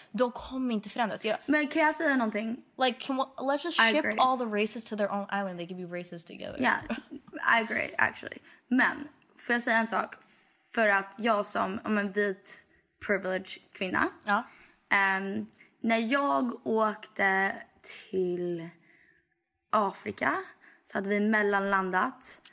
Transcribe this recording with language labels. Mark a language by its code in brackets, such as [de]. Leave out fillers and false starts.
[sv] De kommer inte förändras. Men kan jag säga någonting? [en] Like, let's just ship all the races to their own island. They can be racist together. Yeah, I agree actually. [sv] Men, får jag säga en sak? För att jag som en vit privileged kvinna. Ja. När jag åkte till Afrika så hade vi mellanlandat.